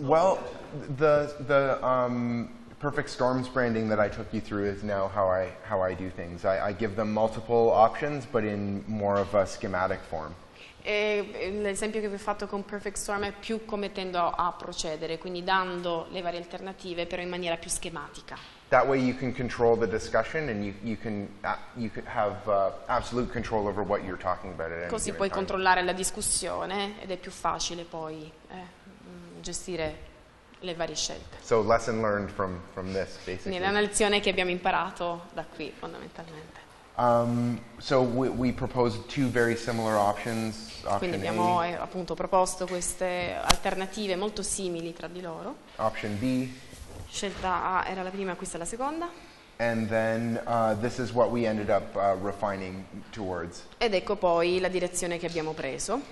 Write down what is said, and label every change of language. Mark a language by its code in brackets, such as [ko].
[en] Well, the Perfect Storms branding that I took you through is now how I do things. I give them multiple options, but in more of a schematic form. [it] E l'esempio che vi ho fatto con Perfect Storm è più come tendo a procedere, quindi dando le varie alternative, però in maniera più schematica. [en] That way you can control the discussion and you can have absolute control over what you're talking about. [it] Così puoi controllare la discussione ed è più facile poi gestire le varie scelte. [en] So lesson learned from this, basically. [it] Quindi è una lezione che abbiamo imparato da qui, fondamentalmente. [en] So we proposed two very similar options. [it] Quindi abbiamo appunto proposto queste alternative molto simili tra di loro. [en] Option B. [it] Scelta A era la prima, questa è la seconda. [en] And then this is what we ended up refining towards. [it] Ed ecco poi la direzione che abbiamo preso.